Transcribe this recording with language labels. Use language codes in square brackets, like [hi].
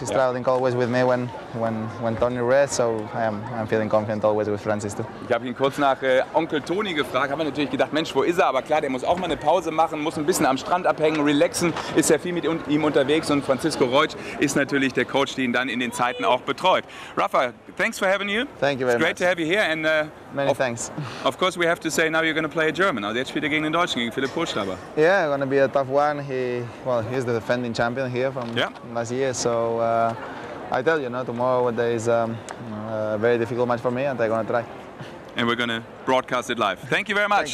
[en] He's traveling always with me when Tony rests. So I'm feeling confident always with Francis too. [de] Ich habe ihn kurz nach Onkel Tony gefragt. Haben wir natürlich gedacht, Mensch, wo ist er? Aber klar, der muss auch mal eine Pause machen, muss ein bisschen am Strand abhängen, relaxen. Ist ja viel mit ihm unterwegs. Und Francisco Roach ist natürlich der Coach, der ihn dann in den Zeiten auch betreut. [en] Rafa, thanks for having you. Thank you very it's great Great to have you here. And many thanks. Of course, we have to say now you're going to play a German. [de] Also jetzt spielt er gegen den Deutschen, gegen Philipp Kohlschreiber. [en] Yeah, going to be a tough one. He's the defending champion here from. Yeah. Last year, so I tell you, no, tomorrow there is a very difficult match for me, and I'm gonna try. And we're gonna broadcast it live. Thank you very much.